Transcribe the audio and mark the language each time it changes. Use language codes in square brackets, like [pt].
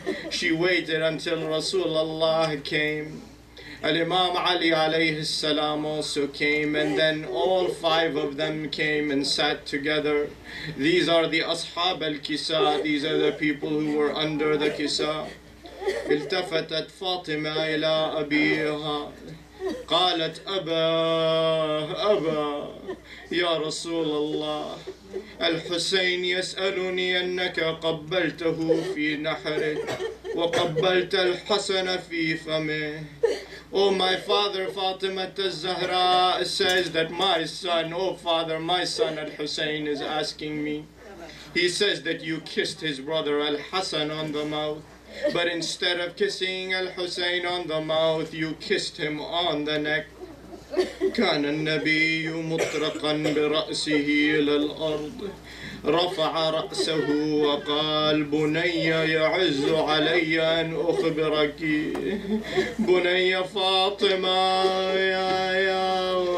[en] She waited until Rasulullah came. Al-Imam Ali alayhi salam also came, and then all five of them came and sat together. These are the Ashab al-Kisa, these are the people who were under the Kisa. [ar] التفتت فاطمة إلى أبيها قالت أبا أبا يا رسول الله الحسين يسألني أنك قبلته في نحره وقبلت الحسن في فمه. [en] Oh, my father, Fatima al-Zahra says that my son, oh father, my son al-Hussein is asking me. He says that you kissed his brother al-Hasan on the mouth, but instead of kissing al-Hussein on the mouth, you kissed him on the neck. [ar] كان النبي مطرقا برأسه إلى الأرض رفع رأسه وقال بني يعز علي أن أخبرك بني فاطمة يا